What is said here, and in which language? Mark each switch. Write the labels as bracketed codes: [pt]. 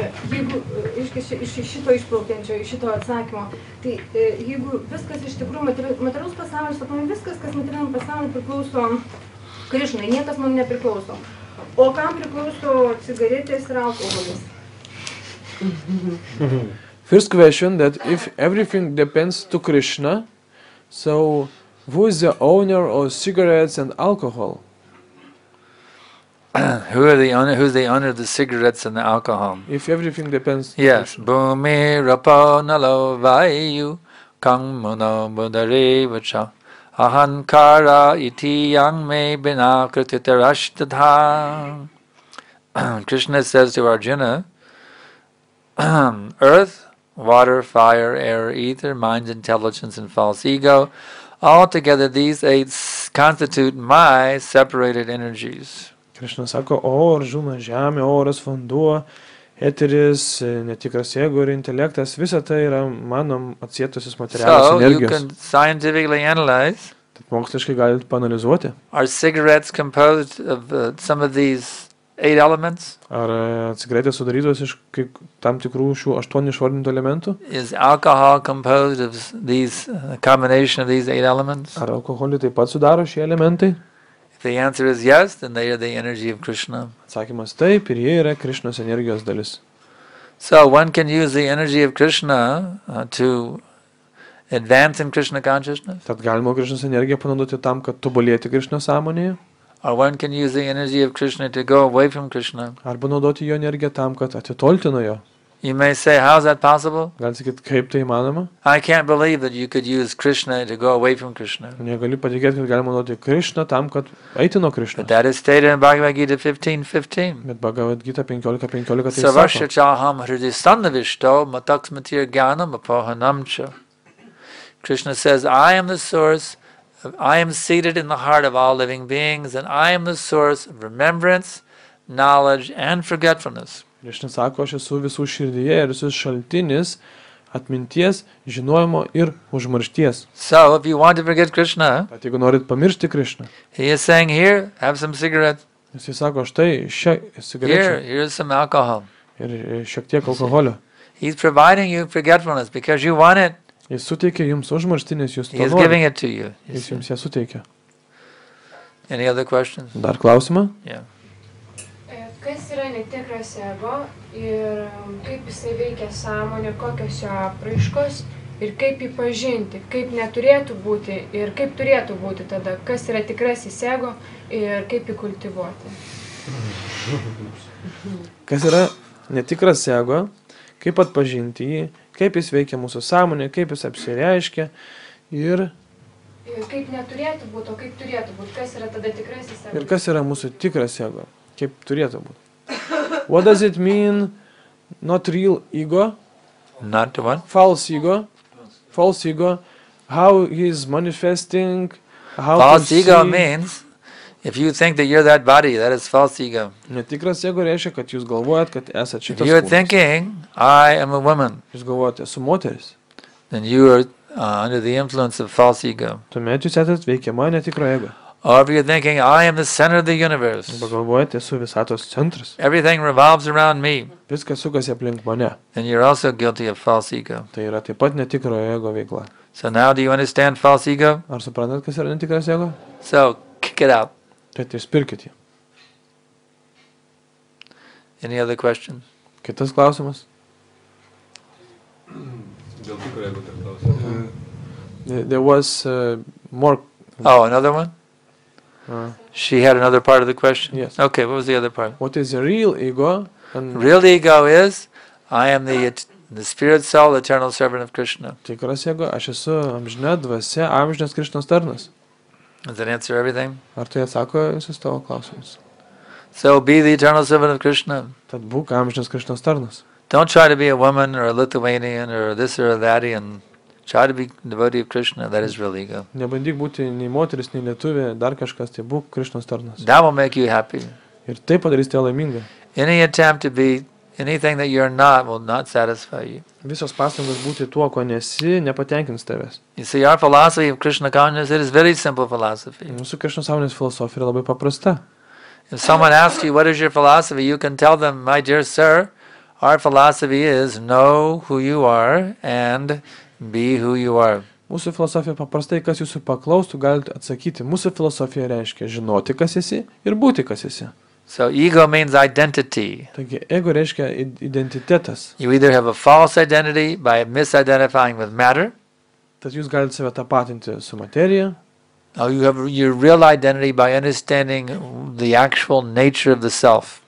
[lt] Jeigu iš šito atsakymo, tai jeigu viskas iš tikrųjų materialus pasaulis, sakome, viskas, kas materialiam pasauliu priklauso Krišnai, niekas mums nepriklauso. O kam priklauso cigaretės ir alkoholis? [en] First question, that if everything depends to Krishna, so who is the owner of cigarettes and alcohol? Who's the owner of the cigarettes and the alcohol? If everything depends. [sa] Yes. Bhumi rapa nalo vayu kang mano budare vacha ahankara iti yang me bina krititarashtadha. [en] Krishna says to Arjuna, earth, water, fire, air, ether, mind, intelligence, and false ego, altogether these eight constitute my separated energies. [lt] Krishna sako, o Arjuna, žemė, oras, vanduo, eteris, netikras ego ir intelektas, visa tai yra mano atsietusios materialios energijos. [en] So, you can scientifically analyze. [lt] Tad moksliškai galite panalizuoti. [en] Are cigarettes composed of some of these eight elements? [lt] Ar cigaretės sudarytos iš kaip tam tikrų šių aštuonių išvardintų elementų? [en] Is alcohol composed of these combination of these eight elements? [lt] Ar alkoholį taip pat sudaro šie elementai? [en] The answer is yes, then they are the energy of Krishna. [lt] Atsakymas taip, ir jie yra Krishnos energijos dalis. [en] So one can use the energy of Krishna to advance in Krishna consciousness. [lt] Tad galima Krishnos energiją panaudoti tam, kad tobulėti Krishnos sąmonėje. [en] Or one can use the energy of Krishna to go away from Krishna. [lt] Arba naudoti jo energiją tam, kad atitolti nuo jo. [en] You may say, how is that possible? [lt] Gal sakyt, kaip tai įmanoma? [en] I can't believe that you could use Krishna to go away from Krishna. [lt] Negaliu patikėti, kad galima naudoti Krishna tam, kad eiti nuo Krishna. [en] But that is stated in Bhagavad Gita 15:15. [lt] Bet Bhagavad Gita 15:15 tai sako. [sa] Savasya chaham hridi sannivishto mataksmatir gyanam apohanamcha. [en] Krishna says, I am the source, I am seated in the heart of all living beings, and I am the source of remembrance, knowledge, and forgetfulness. [lt] Krishna sako, aš esu visų širdyje ir esu šaltinis atminties, žinojimo ir užmaršties. [en] So, if you want to forget Krishna, [lt] tad jeigu norit pamiršti Krishna, [en] he is saying, here, have some cigarette. [lt] Jis sako, štai, šiek cigarečių. [en] Here, here is some alcohol. [lt] Ir šiek tiek alkoholio. [en] He is providing you forgetfulness because you want it. [lt] Jis suteikia jums užmaršti, nes jūs to norite. [en] He is giving it to you. [lt] Jis jums ją suteikia. [en] Any other questions? [lt] Dar klausimą? [en] Yeah. [lt] Kas yra netikras ego ir kaip jisai veikia sąmonė, kokios jo apraiškos ir kaip jį pažinti, kaip neturėtų būti ir kaip turėtų būti tada, kas yra tikrasis ego ir kaip jį kultivuoti. Kas yra netikras ego, kaip atpažinti jį, kaip jis veikia mūsų sąmonė, kaip jis apsireiškia ir... Ir kaip neturėtų būti, o kaip turėtų būti, kas yra tada tikrasis ego. Ir kas yra mūsų tikras ego. Kaip turėtų būti. [en] What does it mean not real ego? Not what? False ego. False ego. How he is manifesting? How false ego means if you think that you're that body, that is false ego. [lt] Netikras ego reiškia, kad jūs galvojat, kad esat šitas kūnas. [en] You're thinking I am a woman. [lt] Jūs galvojat, esu moteris. [en] Then you are under the influence of false ego. [lt] Tuomet jūs esat veikiama netikro ego. [en] Or if you're thinking, I am the center of the universe. [lt] Pagalvojate, esu visatos centras. [en] Everything revolves around me. [lt] Viskas sukasi aplink mane. [en] And you're also guilty of false ego. [lt] Tai yra taip pat netikro ego veikla. [en] So now do you understand false ego? [lt] Ar suprantat, kas yra netikras ego? [en] So, kick it out. [lt] Tai tai spirkit jį. [en] Any other question? [lt] Kitas klausimas? Dėl tikrai, jeigu tai klausimas. [en] There was more... Oh, another one? She had another part of the question? Yes. Okay, what was the other part? What is the real ego? And real ego is, I am the spirit soul, eternal servant of Krishna. [lt] Tikras ego, aš esu amžina dvasia, amžinas Krishnos tarnas. [en] Does that answer everything? [lt] Ar tai atsako visus tavo klausimus? [en] So be the eternal servant of Krishna. [lt] Tad būk amžinas Krishnos tarnas. [en] Don't try to be a woman or a Lithuanian or this or that and try to be devotee of Krishna. That is real ego. [lt] Nebandyk būti nei moteris, nei lietuvė, dar kažkas, tai būk Krishnos tarnas. [en] That will make you happy. [lt] Ir tai padarys tave laimingą. [en] Any attempt to be anything that you're not will not satisfy you. [lt] Visos pastangos būti tuo, ko nesi, nepatenkins tavęs. [en] You see, our philosophy of Krishna consciousness, it is very simple philosophy. [lt] Mūsų Krishnos sąmonės filosofija yra labai paprasta. [en] If someone asks you, what is your philosophy, you can tell them, my dear sir, our philosophy is, know who you are and be who you are. [lt] Mūsų filosofija paprastai, kas jūsų paklaustų, galite atsakyti. Mūsų filosofija reiškia žinoti, kas esi ir būti, kas esi. [en] So ego means identity. [lt] Taigi, ego reiškia identitetas. [en] You either have a false identity by misidentifying with matter. [lt] Tad jūs galite save tapatinti su materija. [en] Or you have your real identity by understanding the actual nature of the self.